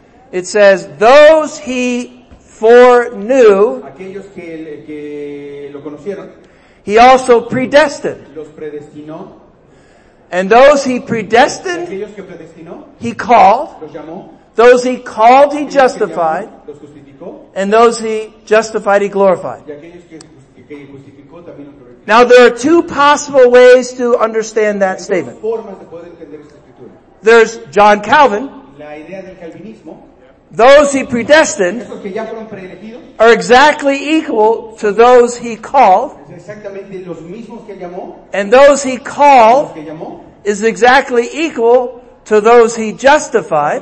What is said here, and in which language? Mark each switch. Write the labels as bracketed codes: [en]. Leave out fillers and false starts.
[en] It says, those he foreknew, [es] aquellos que lo conocieron, [en] he also predestined. [es] Los predestinó. [en] And those he predestined, he called. [es] Los llamó. [en] Those he called, he justified. [es] Los justificó. [en] And those he justified, he glorified. [es] Y aquellos que justificó, también los glorificó. [en] Now there are two possible ways to understand that statement. [es] Formas de poder entender esta escritura. [en] There's John Calvin. [es] La idea del calvinismo. [en] Those he predestined [es] esos que ya fueron predestinados, [en] are exactly equal to those he called. [es] Exactamente los mismos que llamó, [en] and those he called [es] los que llamó, [en] is exactly equal to those he justified.